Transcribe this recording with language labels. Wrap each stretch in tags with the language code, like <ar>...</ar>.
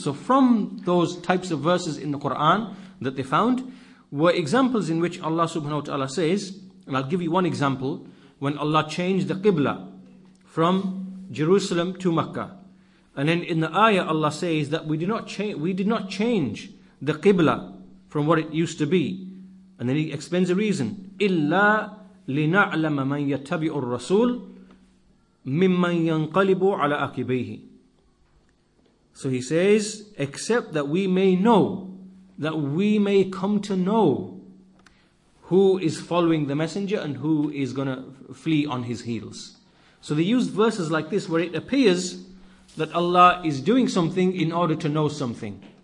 <en>So from those types of verses in the Quran that they found were examples in which Allah subhanahu wa ta'ala says, and I'll give you one example, when Allah changed the Qibla from Jerusalem to Makkah. And then in the ayah Allah says that we did not change the Qibla from what it used to be. And then He explains the reason.</en> <ar>Illa لِنَعْلَمَ مَنْ يَتَّبِعُ الرَّسُولِ مِمَّنْ يَنْقَلِبُ عَلَىٰ أَكِبَيْهِ.</ar> <en>So He says, except that we may know, that we may come to know who is following the messenger and who is going to flee on his heels. So they use verses like this where it appears that Allah is doing something in order to know something.</en>